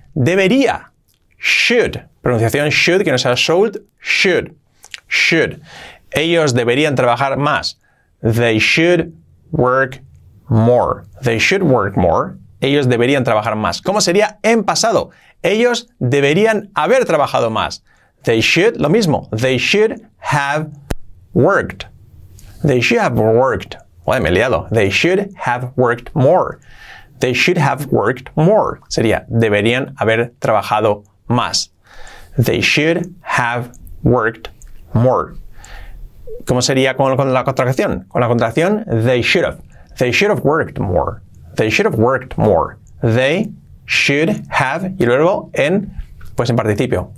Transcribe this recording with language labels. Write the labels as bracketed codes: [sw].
[es] Debería. Should. Pronunciación should, que no sea should. Should. Should. Ellos deberían trabajar más. [en] They should work more. They should work more. [es] Ellos deberían trabajar más. ¿Cómo sería en pasado? Ellos deberían haber trabajado más. [en] They should, [es] lo mismo. [en] They should have worked. They should have worked. [es] Uy, me he liado. [en] They should have worked more. They should have worked more. [es] Sería, deberían haber trabajado más. [en] They should have worked more. [es] ¿Cómo sería con la contracción? Con la contracción, [en] they should have. They should have worked more. They should have worked more. They should have, [es] y luego en, pues en participio.